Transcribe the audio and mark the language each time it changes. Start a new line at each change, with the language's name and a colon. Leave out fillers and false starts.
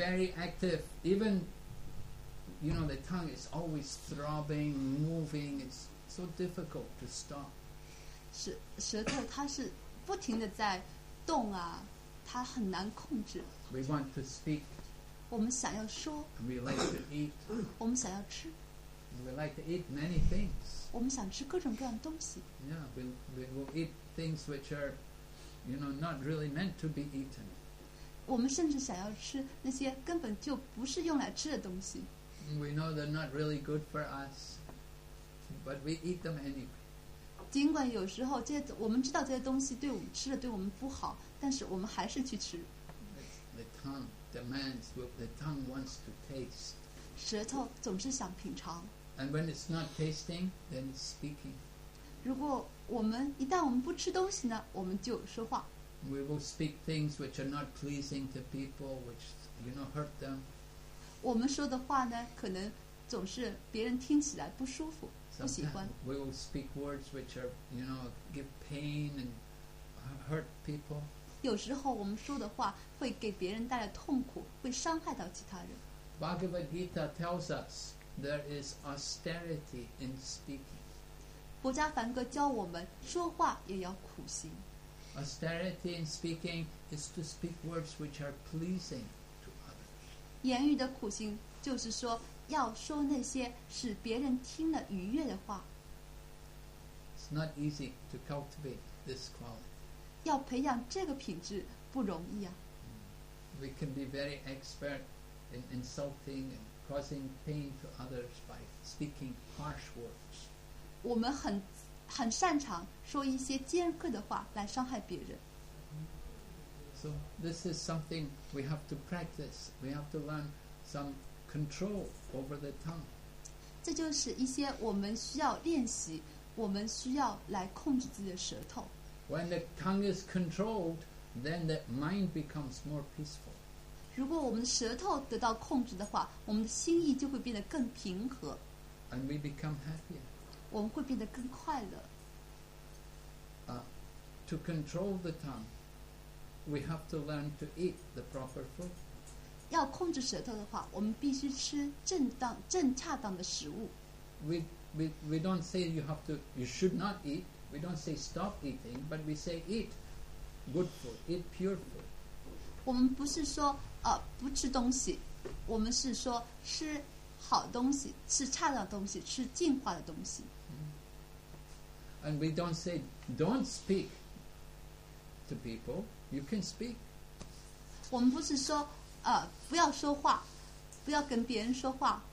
English: Very active, even, you know, the tongue is always throbbing, moving. It's so difficult to stop.
Chinese: 是舌头，它是不停的在动啊，它很难控制。
English: We want to speak.
Chinese: 我们想要说。
English: We like to eat.
Chinese: 我们想要吃。
English: We like to eat many things.
Chinese: 我们想吃各种各样东西。
English: Yeah, we will eat things which are, you know, not really meant to be eaten.
Chinese: 我们甚至想要吃那些根本就不是用来吃的东西。
English: We know they're not really good for us, but we eat them anyway.
Chinese: 尽管有时候这些我们知道这些东西对我们吃的对我们不好，但是我们还是去吃。
English: The tongue demands. The tongue wants to taste.
Chinese: 舌头总是想品尝。
English: And when it's not tasting, then it's speaking.
Chinese: 如果我们一旦我们不吃东西呢，我们就说话。
English: We will speak things which are not pleasing to people, which you know hurt them.
Chinese: 我们说的话呢，可能总是别人听起来不舒服，不喜欢。
English: We will speak words which are, you know, give pain and hurt people.
Chinese: 有时候我们说的话会给别人带来痛苦，会伤害到其他人。
English: Bhagavad Gita tells us there is austerity in speaking.
Chinese: 薄伽梵歌教我们说话也要苦行。
English: Austerity in speaking is to speak words which are pleasing to others.
Chinese: 言语的苦行就是说要说那些使别人听了愉悦的话。
English: It's not easy to cultivate this quality.
Chinese: 要培养这个品质不容易啊。
English: We can be very expert. In insulting and causing pain to others by speaking harsh words.
Chinese: 我们很擅长说一些尖刻的话来伤害别人。
English: So this is something we have to practice. We have to learn some control over the tongue.
Chinese: 这就是一些我们需要练习，我们需要来控制自己的舌头。
English: When the tongue is controlled, then the mind becomes more peaceful.
Chinese: 如果我们舌头得到控制的话，我们的心意就会变得更平和。
English: And we become happier.
Chinese: 我们会变得更快乐。
English: To control the tongue, we have to learn to eat the proper food.
Chinese: 要控制舌头的话，我们必须吃正恰当的食物。
English: We don't say you should not eat. We don't say stop eating, but we say eat good food, eat pure food.
Chinese: 我们不是说不吃东西，我们是说吃好东西，吃恰当东西，吃净化的东西。
English: And we don't say don't speak to people. You can speak.
Chinese: 我们不是说不要说话，不要跟别人说话。